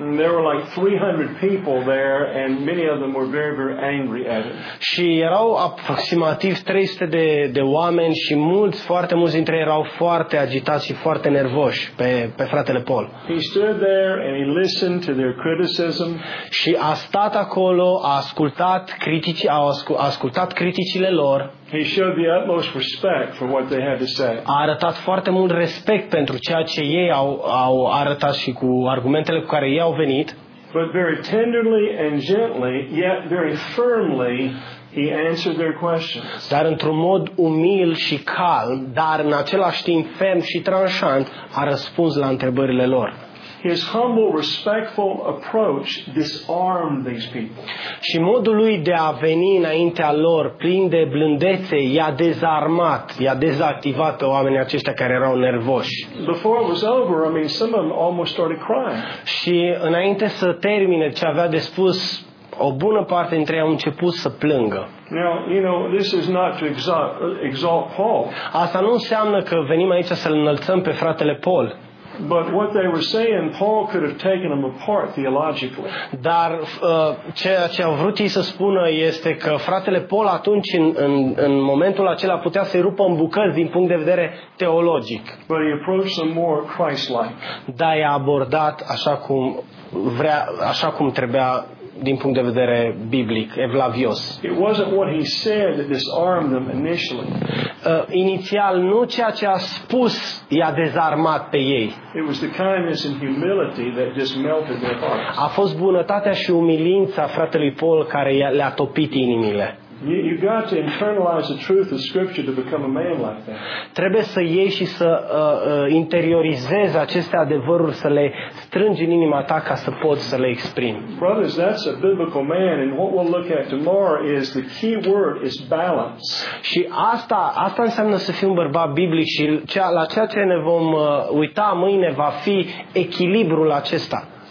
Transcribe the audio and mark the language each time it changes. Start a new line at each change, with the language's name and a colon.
English: There were like 300 people there and many of them were very, very angry at it.
Romanian: Și erau aproximativ 300 de oameni și mulți, foarte mulți dintre ei erau foarte agitați și foarte nervoși pe fratele Paul.
English: He stood there and he listened to their criticism.
Romanian: Și a stat acolo, a ascultat criticile lor.
English: He showed the utmost respect for what they had to say.
Romanian: A arătat foarte mult respect pentru ceea ce ei au arătat și cu argumentele cu care ei au venit.
English: But very tenderly and gently, yet very firmly, he answered their questions.
Romanian: Dar într-un mod umil și calm, dar în același timp ferm și tranșant, a răspuns la întrebările lor.
English: His humble, respectful approach disarmed these people.
Romanian: Și modul lui de a veni înaintea lor, plin de blândețe, i-a dezarmat, i-a dezactivat pe oamenii aceștia care erau nervoși.
English: Before it was over, I mean, some of them almost started crying.
Romanian: Și înainte să termine ce avea de spus, o bună parte dintre ei au început să plângă.
English: Now, you know, this is not to exalt Paul.
Romanian: Asta nu înseamnă că venim aici să-l înălțăm pe fratele Paul.
English: But what they were saying, Paul could have taken them apart theologically.
Romanian: Dar ceea ce au vrut ei să spună este că fratele Paul atunci în momentul acela putea să-i rupă în bucăți din punct de vedere teologic.
English: But he approached them more Christ-like.
Romanian: Dar i-a abordat așa cum vrea, așa cum trebuia din punct de vedere biblic, evlavios.
English: It wasn't what he said that disarmed them initially.
Romanian: Inițial nu ceea ce a spus i-a dezarmat pe ei.
English: It was the kindness and humility that just melted their hearts.
Romanian: A fost bunătatea și umilința fratelui Paul care le-a topit inimile.
English: You got to internalize the truth of scripture to become a man like that.
Romanian: Trebuie să iei și să interiorizezi aceste adevăruri, să le strângi în inima ta ca să poți să le exprimi.
English: Brothers, that's a biblical man, and what we'll look at tomorrow is the key word is balance.
Romanian: Și asta înseamnă să fii un bărbat biblic și la ceea ce ne vom uita mâine va fi echilibrul acesta.